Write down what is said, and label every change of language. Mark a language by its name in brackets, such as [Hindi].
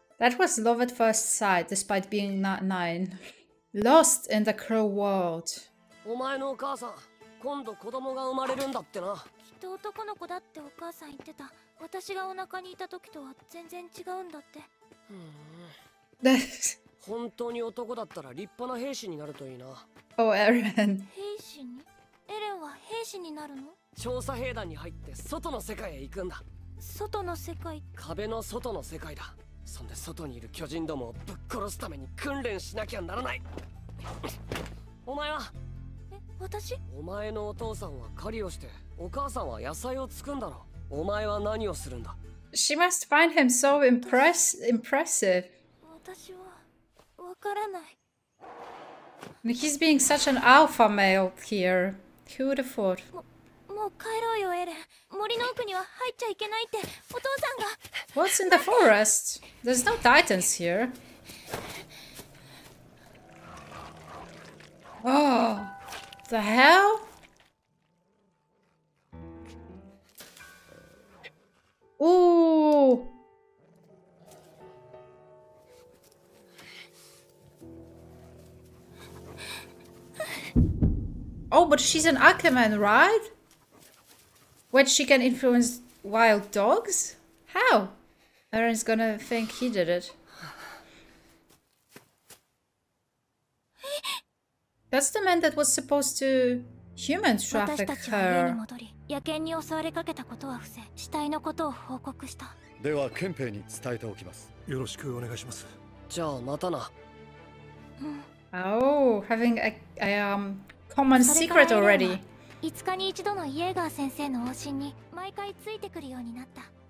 [English] That was love at first sight, despite being not nine. Lost in the cruel world. [Japanese] お前のお母さん、今度子供が生まれるんだってな。きっと男の子だってお母さん言ってた。私がお腹にいた時とは全然違うんだって。本当に男だったら立派な兵士になるといいな。 [English] Oh, Eren. [Japanese] 兵士に？エレンは兵士になるの？調査兵団に入って外の世界へ行くんだ。外の世界？壁の外の世界だ。そんで外にいる巨人どもをぶっ殺すために訓練しなきゃならない。お前は？え、私？お前のお父さんは狩りをして、お母さんは野菜を作んだろ。お前は何をするんだ？ [English] She must find him so impressive. [Japanese] 私は、わからない。 [English] He's being such an alpha male here. Who would have thought? [Japanese] もう帰ろうよ、エレン。森の奥には入っちゃいけないって、お父さんが。 [English] What's in the forest? There's no titans here. Oh, the hell? Oh, but she's an Ackerman, right? Wait, she can influence wild dogs? How? Eren's gonna think he did it. That's the man that was supposed to human traffic her. [Japanese] 野犬に襲われかけたことは伏せ、死体のことを報告した。では憲兵に伝えておきます。よろしくお願いします。じゃあまたな。 [English] Oh, having a common secret already. [Japanese] 5日に一度のイエーガー先生の往診に毎回ついてくるようになった。